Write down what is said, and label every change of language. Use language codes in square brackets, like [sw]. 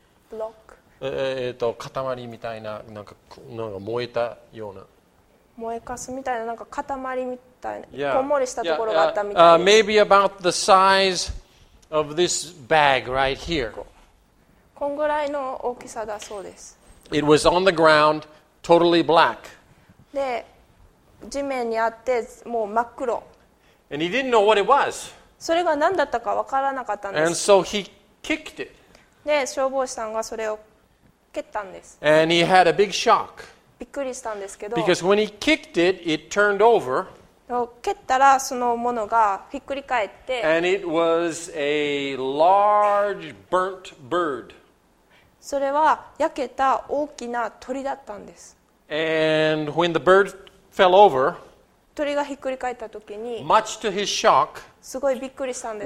[en] Block. [ja] 塊みたいな、なんか燃えたような。燃えかすみたいな、なんか塊みたいな、yeah. こんもりしたところがあったみたいな。 Yeah. [en] Maybe about the size of this bag right here. [ja] こんぐらいの大きさだそうです。 [en] It was on the ground, totally black. [ja] で、地面にあって、もう真っ黒。 [en] And he didn't know what it was. [ja] それが何だったか分からなかったんです。 [en] And so he kicked it. [ja] で、消防士さんがそれを蹴ったんです。 [en] And he had a big shock. [ja] びっくりしたんですけど。 [en] Because when he kicked it, it turned over. [ja] 蹴ったらそのものがひっくり返って。 [en] And it was a large burnt bird. [ja] それは焼けた大きな鳥だったんです。 [en] And when the bird fell over, [ja] 鳥がひっくり返った時に、 [en] much to his shock, [ja] すごいびっくりしたんです